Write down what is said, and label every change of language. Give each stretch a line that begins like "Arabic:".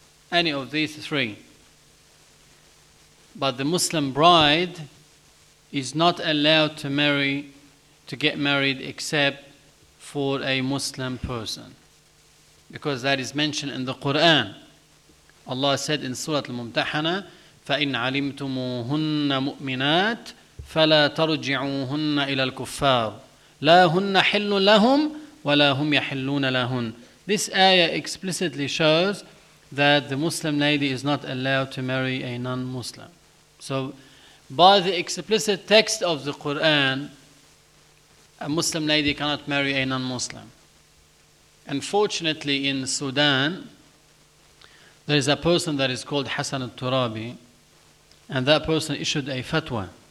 English: Any of these three. But the Muslim bride is not allowed to marry, to get married except for a Muslim person, because that is mentioned in the Quran.
Arabic: Allah said in Surah Al-Mumtahana, فَإِنْ عَلِمْتُمُوهُنَّ مُؤْمِنَاتٍ فَلَا تَرُجِعُوهُنَّ إِلَى الْكُفَّارِ لَا هُنَّ حِلٌّ لَهُمْ وَلَا هُمْ يَحِلُّونَ لَهُنْ.
English: This ayah explicitly shows that the Muslim lady is not allowed to marry a non-Muslim. So by the explicit text of the Quran, a Muslim lady cannot marry a non-Muslim. Unfortunately, in Sudan, there is a person that is called Hassan al-Turabi, and that person issued a fatwa.